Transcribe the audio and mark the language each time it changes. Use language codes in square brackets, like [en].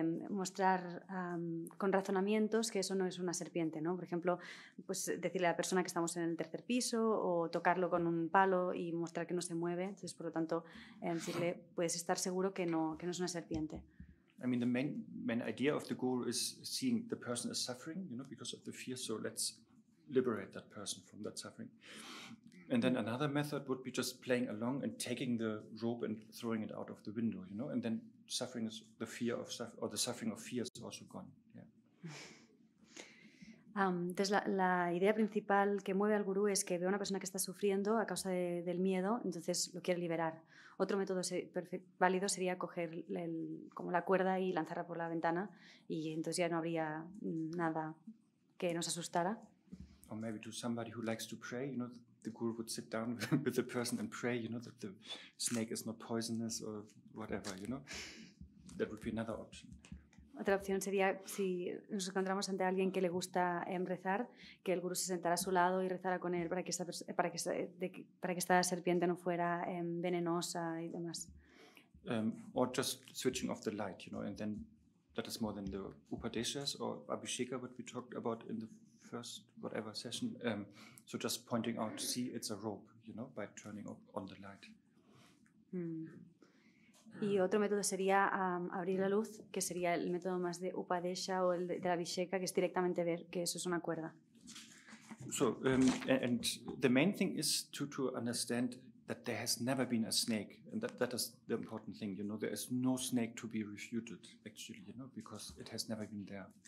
[es] mostrar con razonamientos que eso no es una serpiente, ¿no? Por ejemplo, pues decirle a la persona que estamos en el tercer piso o tocarlo con un palo y mostrar que no se mueve. Entonces, por lo tanto, decirle, puedes estar seguro que no es una serpiente. [en] I mean, the main idea of the guru is seeing the person is suffering, you know, because of the fear, so let's liberate that person from that suffering. And then another method would be just playing along and taking the rope and throwing it out of the window, you know, and then suffering is the fear of suffering, or the suffering of fear is also gone. Yeah. [es] Entonces, la idea principal que mueve al gurú es que ve a una persona que está sufriendo a causa del miedo, entonces lo quiere liberar. Otro método válido sería coger como la cuerda y lanzarla por la ventana, y entonces ya no habría nada que nos asustara. [en] O maybe to somebody who likes to pray, you know, the guru would sit down with the person and pray, you know, that the snake is not poisonous or whatever, you know. That would be another option. [es] Otra opción sería, si nos encontramos ante alguien que le gusta rezar, que el gurú se sentara a su lado y rezara con él para que esta serpiente no fuera venenosa y demás. [en] Or just switching off the light, you know, and then that is more than the upadeshas or abhisheka, what we talked about in the first whatever session. So just pointing out, see, it's a rope, you know, by turning on the light. [es] Y otro método sería abrir la luz, que sería el método más de Upadesha o el de la Abhisheka, que es directamente ver que eso es una cuerda. [en] So, and the main thing is to understand that there has never been a snake, and that is the important thing, you know, there is no snake to be refuted, actually, you know, because it has never been there.